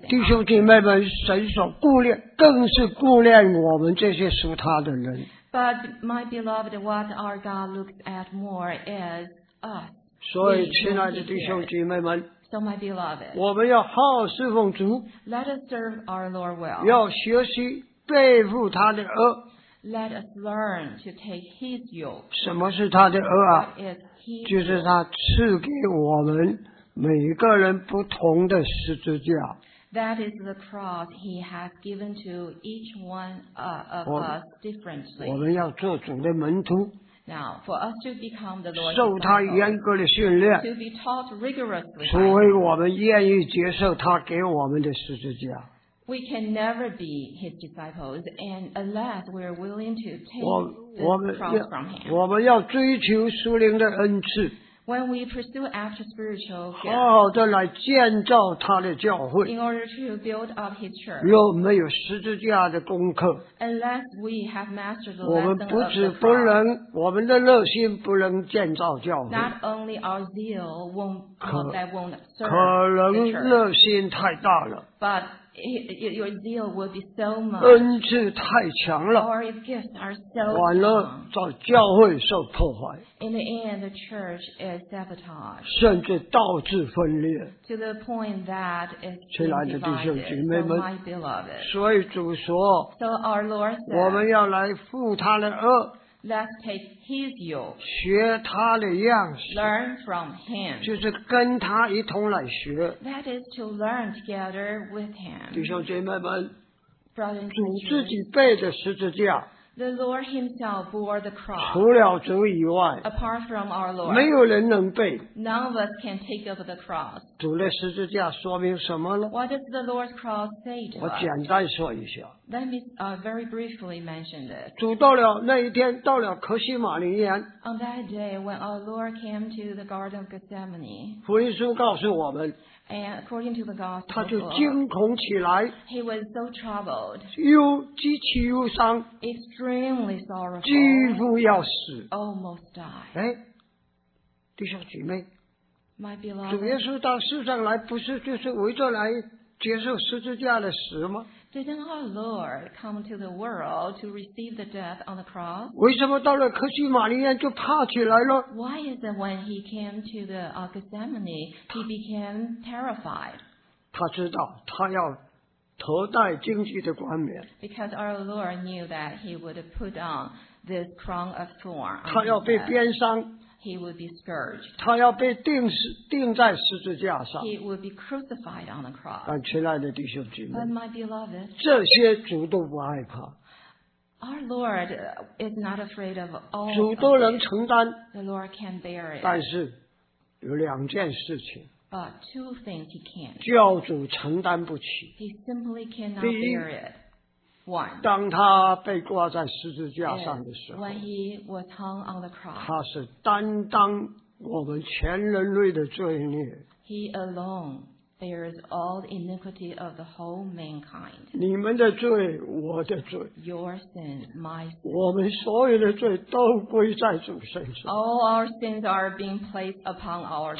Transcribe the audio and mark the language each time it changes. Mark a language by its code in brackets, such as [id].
[zh] 但弟兄姐妹们，神所顾念更是顾念我们这些属他的人。 [en] But my beloved, what our God looks at more is us. [zh] 所以亲爱的弟兄姐妹们， [en] So my beloved, [zh] 我们要好侍奉主， [en] let us serve our Lord well. [zh] 要学习背负他的轭。 [en] Let us learn to take his yoke. [zh] 什么是他的轭啊？就是他赐给我们每个人不同的十字架。 [en] That is the cross he has given to each one of us differently. [zh] 我们要做主的门徒。 [en] Now, for us to become the Lord's [zh] 受他严格的训练， [en] to be taught rigorously, [zh] 除非我们愿意接受他给我们的十字架。 [en] We can never be his disciples, and unless we are willing to take the cross from him. [zh] 我们要追求属灵的恩赐。 [en] When we pursue after spiritual gifts, [zh] 好好地来建造他的教会， [en] in order to build up his church, [zh] 若没有十字架的功课， [en] unless we have mastered the lesson, [zh] 我们不止不能，我们的热心不能建造教会， [en] not only our zeal won't serve the church, [zh] 可能热心太大了， [en] but your zeal will be so much, [zh] 恩赐太强了， [en] or your gifts are so strong, [zh] 完了在教会受破坏。 [en] In the end, the church is sabotaged. [zh] 甚至道志分裂。 [en] To the point that it's divided. [zh] 亲爱的弟兄姐妹们， [en] my beloved. [zh] 所以主说， [en] So our Lord said, [zh] 我们要来负他的轭。 [en] Let's take his yoke. [zh] 学他的样式。 [en] Learn from him. [zh] 就是跟他一同来学。 [en] That is to learn together with him. [zh] 弟兄姐妹们， [en] Brother, [zh] 主自己背着十字架。 [en] The Lord himself bore the cross. [zh] 除了主以外， [en] apart from our Lord, [zh] 没有人能背。 [en] None of us can take up the cross. [zh] 主的十字架说明什么呢？ [en] What does the Lord's cross say to us? [zh] 我简单说一下。 [en] Let me very briefly mention this. [zh] 主到了那一天，到了可西马尼园。 [en] On that day, when our Lord came to the Garden of Gethsemane, [zh] 福音书告诉我们， [en] and according to the gospel, [zh] 他就惊恐起来。 [en] He was so troubled. [zh] 又极其忧伤。 [en] Extremely sorrowful. [zh] 几乎要死。 [en] Almost died. [zh] 哎，弟兄姐妹， [en] my beloved, [zh] 主耶稣到世上来，不是就是为着来接受十字架的死吗？ [en] Didn't our Lord come to the world to receive the death on the cross? [zh] 为什么到了可西马尼园就怕起来了？ [en] Why is it when he came to the Gethsemane, he became terrified? [zh] 他知道他要头戴荆棘的冠冕。 [en] Because our Lord knew that he would put on this crown of thorn. [zh] 他要被鞭伤。 [en] He would be scourged. [zh] 他要被钉在十字架上。 [en] He would be crucified on the cross. [zh] 但亲爱的弟兄姐妹， [en] But my beloved, [zh] 这些主都不害怕。 [en] Our Lord is not afraid of all. [zh] 主都能承担。 [en] The Lord can bear it. [zh] 但是有两件事情。 [en] But two things he can't. [zh] 教主承担不起。 [en] He simply cannot bear it. [zh] 当他被挂在十字架上的时候， [en] cross, [zh] 他是担当我们全人类的罪孽。 [en] He alone bears all the iniquity of the whole mankind. [zh] 你们的罪，我的罪。 [en] Your sin, my sin. [zh] 我们所有的罪都归在主身上。 [en] All our sins are being placed upon our Lord.